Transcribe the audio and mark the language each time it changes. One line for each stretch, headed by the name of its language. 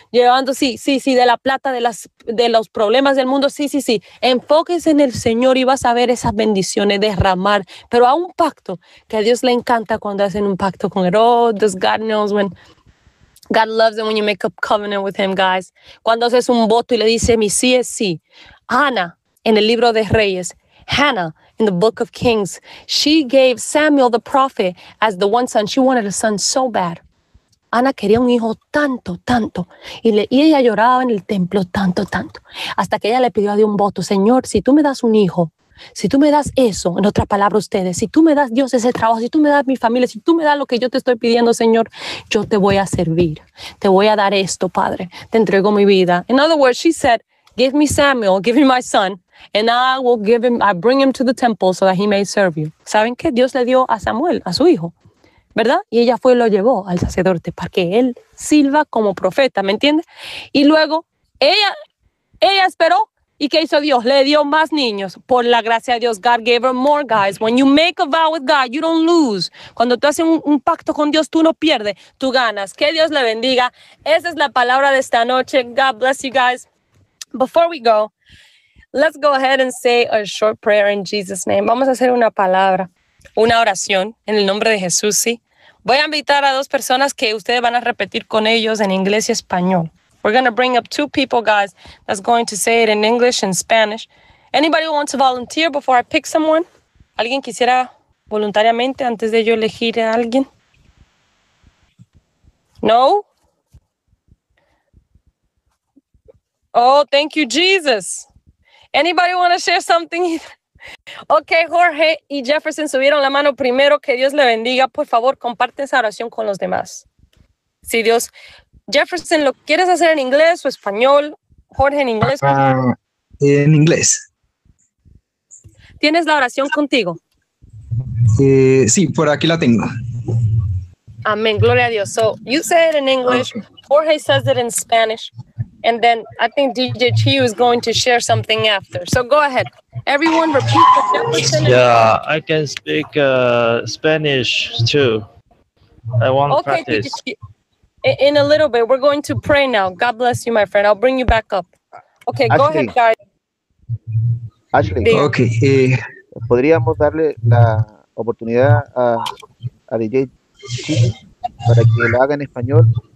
Spanish: Llevando, sí, de la plata, de los problemas del mundo. Sí. Enfóquese en el Señor y vas a ver esas bendiciones derramar. Pero a un pacto, que a Dios le encanta cuando hacen un pacto con él.
English: Oh, does God knows when... God loves it when you make a covenant with him, guys.
Spanish: Cuando haces un voto y le dice, mi sí es sí. Hannah, en el libro de Reyes.
English: Hannah, in the book of Kings. She gave Samuel the prophet as the one son. She wanted a son so bad.
Spanish: Hannah quería un hijo tanto. Y ella lloraba en el templo tanto. Hasta que ella le pidió a Dios un voto. Señor, si tú me das un hijo, si tú me das eso, en otras palabras ustedes, si tú me das Dios ese trabajo, si tú me das mi familia, si tú me das lo que yo te estoy pidiendo, Señor, yo te voy a servir, te voy a dar esto, Padre, te entrego mi vida.
English: In other words, she said, give me Samuel, give me my son, and I bring him to the temple so that he may serve you.
Spanish: ¿Saben qué? Dios le dio a Samuel, a su hijo, ¿verdad? Y ella fue y lo llevó al sacerdote para que él sirva como profeta, ¿me entiendes? Y luego ella esperó. ¿Y qué hizo Dios? Le dio más niños. Por la gracia de Dios,
English: God gave her more, guys. When you make a vow with God, you don't lose.
Spanish: Cuando tú haces un pacto con Dios, tú no pierdes, tú ganas. Que Dios le bendiga. Esa es la palabra de esta noche.
English: God bless you guys. Before we go, let's go ahead and say a short prayer in Jesus' name.
Spanish: Vamos a hacer una palabra, una oración en el nombre de Jesús, ¿sí? Voy a invitar a dos personas que ustedes van a repetir con ellos en inglés y español.
English: We're going to bring up two people, guys, that's going to say it in English and Spanish. Anybody want to volunteer before I pick someone?
Spanish: ¿Alguien quisiera voluntariamente antes de yo elegir a alguien? No?
English: Oh, thank you, Jesus. Anybody want to share something?
Spanish: Okay, Jorge y Jefferson subieron la mano primero. Que Dios le bendiga. Por favor, comparte esa oración con los demás. Si Dios... Jefferson, ¿lo quieres hacer en inglés o español? Jorge, ¿en inglés? En inglés. ¿Tienes la oración contigo? Sí, por aquí la tengo. Amén, gloria a Dios.
English: So, you say it in English, Jorge says it in Spanish, and then I think DJ Chiu is going to share something after. So, go ahead. Everyone repeat the Jefferson. Yeah, I can speak Spanish too. I want to practice. DJ Chiu. In a little bit, we're going to pray now. God bless you, my friend. I'll bring you back up. Okay, Ashley. Go ahead, guys. Ashley, Dave. Okay.
Spanish: ¿Podríamos darle la oportunidad a DJ Chiu para que lo haga en español?